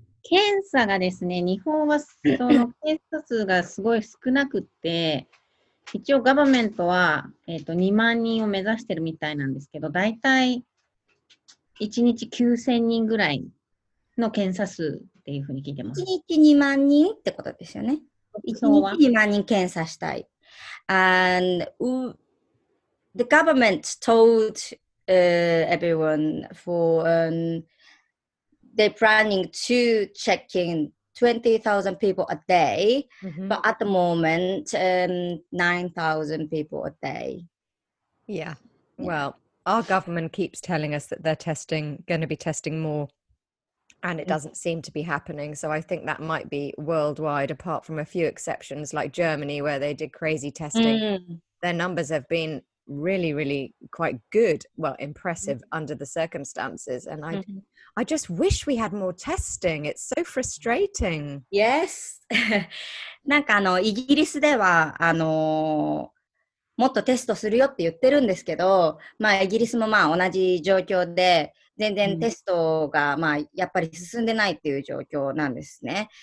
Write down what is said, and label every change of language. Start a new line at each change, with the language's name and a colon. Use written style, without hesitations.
Japanese: 検査がですね、日本はその検査数がすごい少なくって、一応ガバメントは、2万人を目指してるみたいなんですけど、だいたい1日9000人ぐらいの検査数っていうふうに聞いてます。 1日2万人ってことですよね。 1日2万人検査したい。
English: And the government told everyone for they're planning to check in 20,000 people a day, mm-hmm. but at the moment, 9,000 people a day. Yeah. Well, our government keeps telling us that they're testing, going to be testing more, and it doesn't seem to be happening. So I think that might be worldwide, apart from a few exceptions like Germany, where they did crazy testing. Mm. Their numbers have been really, really quite good. Well, impressive under the circumstances. And I just wish we had more testing. It's so frustrating. Yes.
Japanese: なんかあのイギリスではあのもっとテストするよって言ってるんですけど、まあイギリスもまあ同じ状況で全然テストがまあやっぱり進んでないっていう状況なんですね。